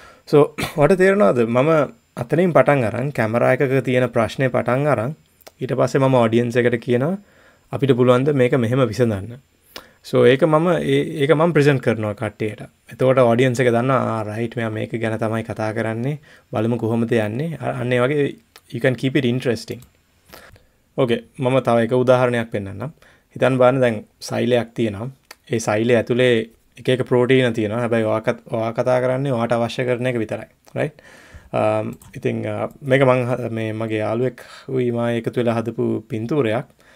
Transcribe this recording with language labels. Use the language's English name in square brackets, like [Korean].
[Sinhala] සෝ වට තේරෙනවද මම අතනින් පටන් අරන් කැමරා එකක තියෙන ප්‍රශ්නේ පටන් අරන් ඊට පස්සේ මම ඔඩියන්ස් එකට කියනවා අපිට පුළුවන්ද මේක මෙහෙම විසඳන්න. සෝ ඒක මම ඒක මම ප්‍රෙසන්ට් කරනවා කට්ටියට. එතකොට ඔඩියන්ස් එක දන්නවා රයිට් මෙයා මේක ගැන තමයි කතා කරන්නේ, බලමු කොහොමද යන්නේ. අන්න ඒ වගේ [English] you can keep it interesting. [Sinhala] ඕකේ මම තව එක උදාහරණයක් පෙන්නන්නම්. හිතන්න බලන්න දැන් සෛලයක් තියෙනවා. ඒ සෛලයේ ඇතුලේ එක එක ප්‍රෝටීන තියෙනවා. හැබැයි ඔයා කතා කරන්නේ ඔයාට අවශ්‍ය කරන එක විතරයි, රයිට්? ඉතින් මේක මං මේ මගේ යාළුවෙක් වීමා එකතු වෙලා හදපු පින්තූරයක්.